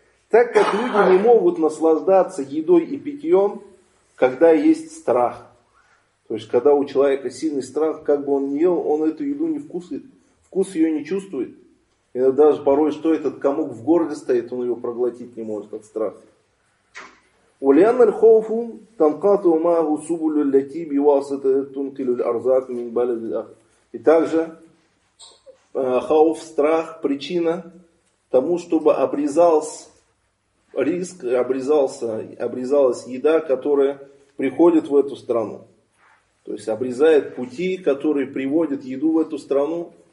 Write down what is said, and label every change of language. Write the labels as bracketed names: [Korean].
[Russian] Так как люди не могут наслаждаться едой и питьем, когда есть страх. То есть, когда у человека сильный страх, как бы он ни ел, он эту еду не вкусит. Вкус ее не чувствует. И даже порой, что этот комок в горле стоит, он ее проглотить не может от страха. [Arabic] ولأن الخوف تنقطع معه سبل التي بواسطة تنقل الأرزاق من بلد الأخر. [Russian] И также хауф, страх, причина тому, чтобы обрезался риск, обрезалась еда, которая приходит в эту страну. То есть обрезает пути, которые приводят еду в эту страну.